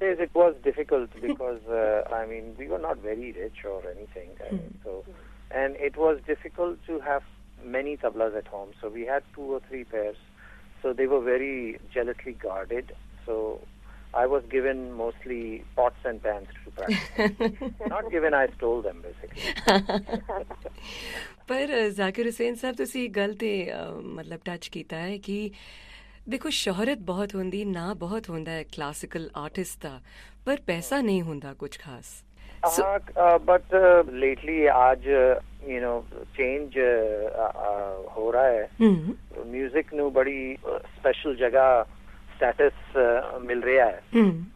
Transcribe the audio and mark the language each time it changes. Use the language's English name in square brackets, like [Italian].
[English] It was difficult because I mean we were not very rich or anything so and it was difficult to have many tablas at home so we had 2 or 3 pairs so they were very jealously guarded so I was given mostly pots and pans to practice. Not given, I stole them basically. [Punjabi] Par Zakir Hussain sahab, tusi gal te matlab touch kita hai ki ਦੇਖੋ ਸ਼ੋਹਰਤ ਬਹੁਤ ਹੁੰਦੀ ਨਾ ਬਹੁਤ ਹੁੰਦਾ ਹੈ classical artist ਦਾ, ਪਰ ਪੈਸਾ ਨਹੀਂ ਹੁੰਦਾ ਕੁਛ ਖਾਸ। ਬਟ ਲੇਟਲੀ ਅੱਜ ਯੂ ਨੋ ਚੇਂਜ ਹੋ ਰਿਹਾ ਹੈ, ਮਿਊਜ਼ਿਕ ਨੂੰ ਬੜੀ ਸਪੈਸ਼ਲ ਜਗ੍ਹਾ ਸਟੈਟਸ ਮਿਲ ਰਿਹਾ ਹੈ